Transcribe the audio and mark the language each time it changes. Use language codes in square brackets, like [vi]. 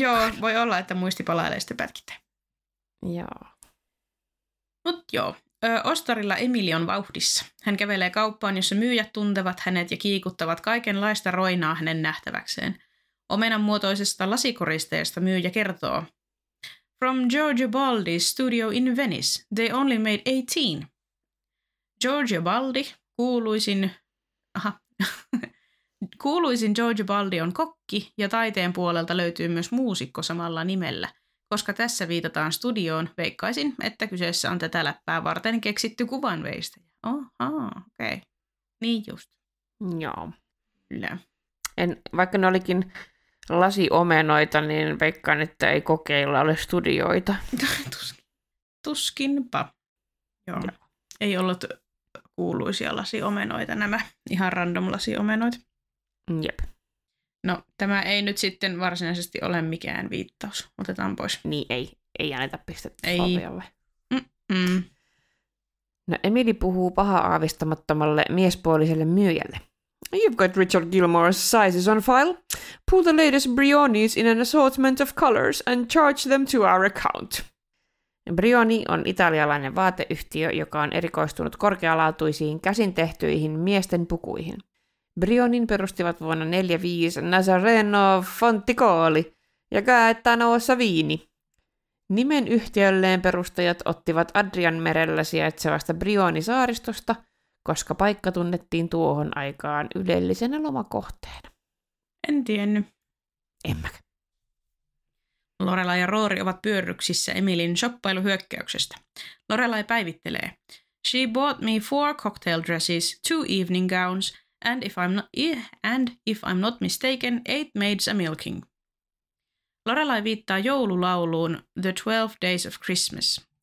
[fi] Joo, voi olla, että muisti palailee sitten pätkittäin. Joo. Mut joo, Ostarilla Emily on vauhdissa. Hän kävelee kauppaan, jossa myyjät tuntevat hänet ja kiikuttavat kaikenlaista roinaa hänen nähtäväkseen. Omenan muotoisesta lasikoristeesta myyjä kertoo... [en] From Giorgio Baldi's studio in Venice, they only made 18. [fi] Giorgio Baldi, kuuluisin Giorgio Baldi on kokki ja taiteen puolelta löytyy myös muusikko samalla nimellä. Koska tässä viitataan studioon, veikkaisin, että kyseessä on tätä läppää varten keksitty kuvanveistäjä. Oha, okei. Okay. Niin just. Joo. Kyllä. En, vaikka ne olikin... lasiomenoita, niin veikkaan, että ei kokeilla ole studioita. Tuskinpa. Joo. Ja. Ei ollut kuuluisia lasiomenoita nämä, ihan random lasiomenoita. Jep. No, tämä ei nyt sitten varsinaisesti ole mikään viittaus. Otetaan pois. Niin, ei anneta pistettä ei. Fabialle. No, Emily puhuu pahaa aavistamattomalle miespuoliselle myyjälle. [en] You've got Richard Gilmore's sizes on file. Pull the latest Brionis in an assortment of colors and charge them to our account. [fi] Brioni on italialainen vaateyhtiö, joka on erikoistunut korkealaatuisiin käsin tehtyihin miesten pukuihin. Brionin perustivat vuonna 45 Nazareno Fonticoli ja Gaetano Savini. Nimen yhtiölleen perustajat ottivat Adrian merellä sijaitsevasta Brioni-saaristosta, koska paikka tunnettiin tuohon aikaan ylellisenä lomakohteena. En tiennyt. En mäkään. Lorelai ja Roori ovat pyörryksissä Emilin shoppailuhyökkäyksestä. Lorelai päivittelee. [en] She bought me 4 cocktail dresses, 2 evening gowns, and if I'm not mistaken, 8 maids a milking. [fi] Lorelai viittaa joululauluun The 12 Days of Christmas.